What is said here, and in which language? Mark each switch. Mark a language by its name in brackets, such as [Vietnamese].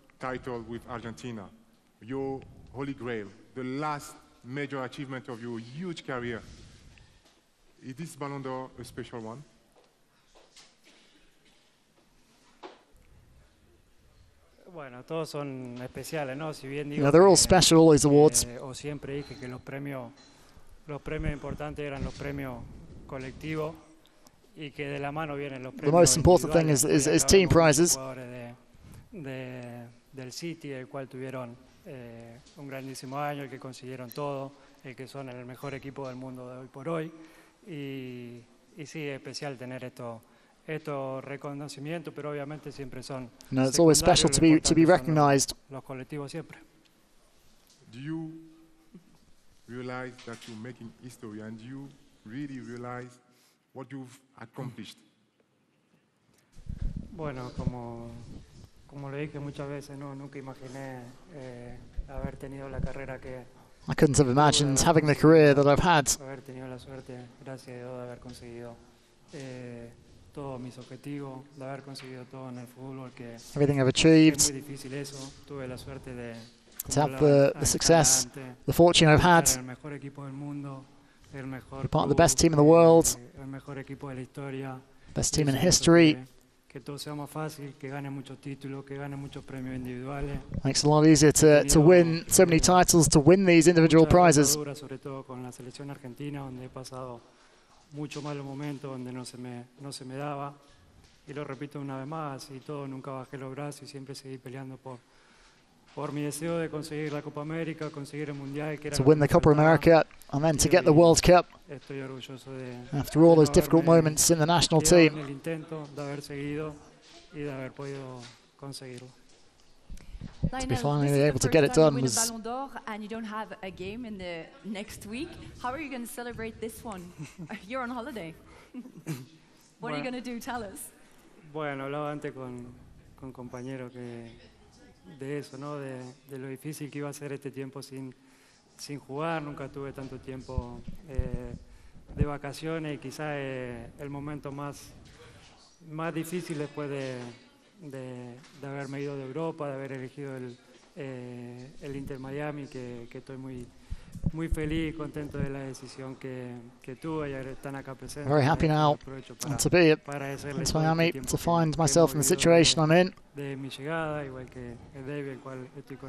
[English] Title with Argentina, your holy grail, the last major achievement of your huge career. Is this Ballon d'Or a special one? [Spanish] Well, Bueno, todos son especiales, ¿no? Si bien digo, [English] you know, they're all special, all these awards. [Spanish] O siempre dije que los premios importantes eran los premios colectivos y que de la mano vienen los premios. [English] The most important thing is team prizes. [Spanish] Del City, el cual tuvieron un grandísimo año, el que consiguieron todo, el que son el mejor equipo del mundo de hoy por hoy. Y sí, es especial tener esto reconocimiento, pero obviamente siempre son. [English] No, it's always special to be recognized. [Spanish] Los colectivos siempre. [English] Do you realize that you're making history and you really realize what you've accomplished? [Spanish] Bueno, como le dije muchas veces, no, nunca imaginé haber tenido la carrera que. [English] I couldn't have imagined having the career that I've had. [Spanish] Haber tenido la suerte, gracias a Dios, de haber conseguido todos mis objetivos, de haber conseguido todo en el fútbol que. [English] Everything I've achieved. [Spanish] Es muy difícil eso. Tuve la suerte de. [English] To have the success, the fortune I've had. [Spanish] El mejor equipo del mundo, el mejor. [English] Part of the best team in the world. [Spanish] El mejor equipo de la historia. [English] Best team in history. [Spanish] Que todo sea más fácil, que gane muchos títulos, que gane muchos premios individuales. [English] Makes it a lot easier to win so many titles, to win these individual prizes. [Spanish] Sobre todo con la selección argentina, donde he pasado mucho malos momentos, donde no se me daba. Y lo repito una vez más, y todo, nunca bajé los brazos y siempre seguí peleando por mi deseo de conseguir la Copa América, conseguir el Mundial. [English] To win the Copa America and then to get the World Cup. [Spanish] Estoy orgulloso de. [English] After all those difficult moments in the national team. [Spanish] El intento de haber seguido y de haber podido conseguirlo. [English] To be finally able to get it done was. Ballon d'Or, and you don't have a game in the next week. How are you going to celebrate this one? You're on holiday. What are you going to do? Tell us. [Spanish] Bueno, hablaba antes con compañero que. De eso, ¿no? De lo difícil que iba a ser este tiempo sin jugar. Nunca tuve tanto tiempo de vacaciones y quizá el momento más difícil después de haberme ido de Europa, de haber elegido el Inter Miami, que estoy muy muy feliz y contento de la decisión que tuve y están acá presentes. [English] Very happy now to be in Miami, to find myself in the situation I'm in. [Spanish] De mi llegada, igual que David, cual estoy con.